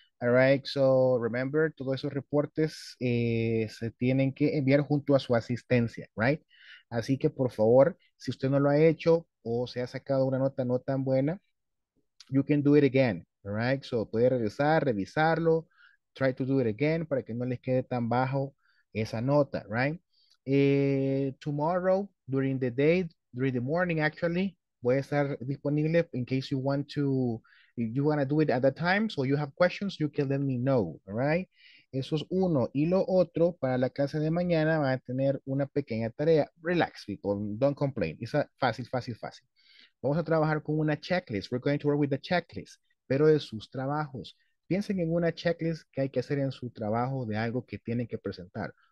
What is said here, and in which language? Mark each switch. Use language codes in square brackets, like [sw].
[es] All right, [en] so remember, [es] todos esos reportes se tienen que enviar junto a su asistencia, right? Así que, por favor, si usted no lo ha hecho o se ha sacado una nota no tan buena, [en] you can do it again, [es] all right? So, puede regresar, revisarlo, [en] try to do it again [es] para que no les quede tan bajo esa nota, right? [en] Tomorrow, during the day, during the morning, actually, [es] voy a estar disponible [en] in case you want to, you want to do it at that time, so you have questions, you can let me know, all right? [es] Eso es uno. Y lo otro, para la clase de mañana van a tener una pequeña tarea. [en] Relax, people. Don't complain. [es] Es fácil, fácil, fácil. Vamos a trabajar con una checklist. [en] We're going to work with a checklist. [es] Pero de sus trabajos. Piensen en una checklist que hay que hacer en su trabajo de algo que tienen que presentar.